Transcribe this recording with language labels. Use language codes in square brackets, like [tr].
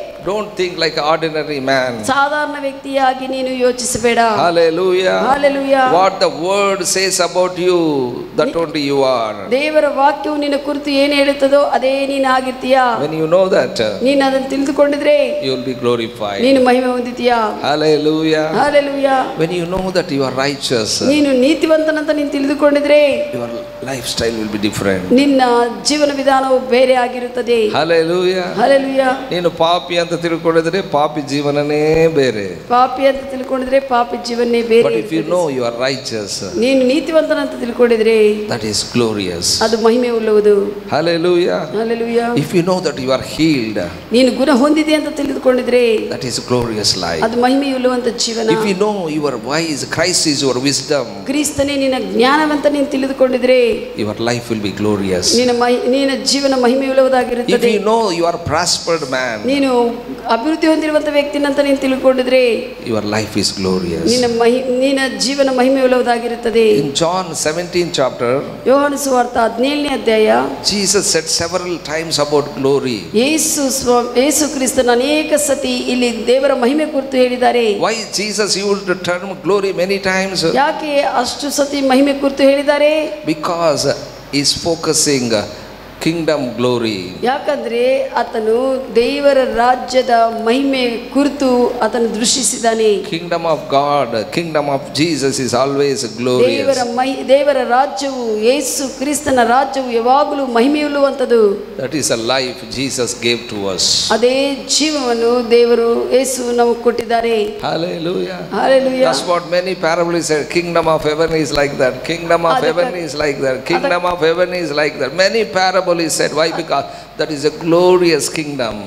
[en] Don't think like ordinary man. [kn] ಸಾಧಾರಣ ವ್ಯಕ್ತಿಯಾಗಿ ನೀನು ಯೋಚಿಸಬೇಡ. [en] Hallelujah. Hallelujah. What the word says about you, that only you are. [kn] ದೇವರ ವಾಕ್ಯವು ನಿನ್ನ ಕುರಿತು ಏನು ಹೇಳುತ್ತದೋ ಅದೇ ನೀನಾಗಿರ್ತೀಯ. [en] When you know that, [kn] ನೀನು ಅದನ್ನು ತಿಳಿದುಕೊಂಡಿದ್ರೆ, [en] you will be glorified. [kn] ನೀನು ಮಹಿಮೆ ಹೊಂದಿದೀಯ. [en] Hallelujah. Hallelujah. When you know that you are righteous, [kn] ನೀನು ನೀತಿವಂತನಂತ ನೀನು ತಿಳಿದುಕೊಂಡಿದ್ರೆ, [en] your lifestyle will be different. [kn] ನಿನ್ನ ಜೀವನ ವಿಧಾನವು ಬೇರೆ ಆಗಿರುತ್ತದೆ. [en] Hallelujah. Hallelujah. [kn] ನೀನು ಪಾಪಿ ಅಂತ ತಿಳ್ಕೊಂಡಿದ್ರೆ ಪಾಪಿ ಜೀವನನೇ ಬೇರೆ. ಪಾಪಿ ಅಂತ ತಿಳ್ಕೊಂಡಿದ್ರೆ ಪಾಪಿ ಜೀವನನೇ ಬೇರೆ. [en] But if you know you are righteous, [kn] ನೀನು ನೀತಿವಂತನ ಅಂತ ತಿಳ್ಕೊಂಡಿದ್ರೆ [en] that is glorious, [kn] ಅದು ಮಹಿಮೆ ಉಳ್ಳವುದು. [en] Hallelujah, hallelujah. If you know that you are healed, [kn] ನೀನು ಗುಣ ಹೊಂದಿದೆ ಅಂತ ತಿಳಿದುಕೊಂಡಿದ್ರೆ [en] that is glorious life, [kn] ಅದು ಮಹಿಮೆ ಉಳ್ಳವಂತ ಜೀವನ. [en] If you know you are wise, Christ is your wisdom, [kn] ಕ್ರಿಸ್ತನೇ ನಿನ್ನ ಜ್ಞಾನವಂತ ನೀನು ತಿಳಿದುಕೊಂಡಿದ್ರೆ [en] your life will be glorious, [kn] ನಿನ್ನ ಜೀವನ ಮಹಿಮೆ ಉಳ್ಳವದಾಗಿರುತ್ತದೆ. [en] If you know you are prospered man, [kn] ನೀನು ಅಭಿವೃದ್ಧಿ ಹೊಂದಿರುವಂತ ವ್ಯಕ್ತಿ ಅಂತ ನೀನು ತಿಳಿದುಕೊಂಡಿದ್ರೆ [en] your life is glorious, [kn] ನಿನ್ನ ಜೀವನ ಮಹಿಮೆ ಉಳ್ಳವದಾಗಿರುತ್ತದೆ. [en] In John 17 chapter, [kn] ಯೋಹಾನ ಸುವಾರ್ತ 17ನೇ ಅಧ್ಯಾಯ, [en] Jesus said several times about glory. [kn] ಯೇಸು ಕ್ರಿಸ್ತನ ಅನೇಕ ಸತಿ ಇಲ್ಲಿ ದೇವರ ಮಹಿಮೆ ಕುರಿತು ಹೇಳಿದ್ದಾರೆ. [en] Why Jesus used the term glory many times? [kn] ಯಾಕೆ ಅಷ್ಟು ಸತಿ ಮಹಿಮೆ ಕುರಿತು ಹೇಳಿದ್ದಾರೆ? [en] Because he is focusing kingdom glory. [kn] ಯಾಕಂದ್ರೆ ಅತನು ದೇವರ ರಾಜ್ಯದ ಮಹಿಮೆ ಕುರಿತು ಅತನು ದೃಷ್ಟಿಸಿದ್ದಾನೆ. [en] Kingdom of God, kingdom of Jesus is always glorious. [kn] ದೇವರ ರಾಜ್ಯವು, ಯೇಸು ಕ್ರಿಸ್ತನ ರಾಜ್ಯವು ಯಾವಾಗಲೂ ಮಹಿಮೆಯುಳ್ಳುವಂತದ್ದು. [en] That is a life Jesus gave to us. [kn] ಅದೇ ಜೀವವನ್ನು ದೇವರು ಯೇಸು ನಮಗೆ ಕೊಟ್ಟಿದ್ದಾರೆ. [en] Hallelujah, hallelujah. That's what many parables said, kingdom of heaven is like that, kingdom of heaven is like that, kingdom of heaven is like that. Many parables said, why? Because that is a glorious kingdom.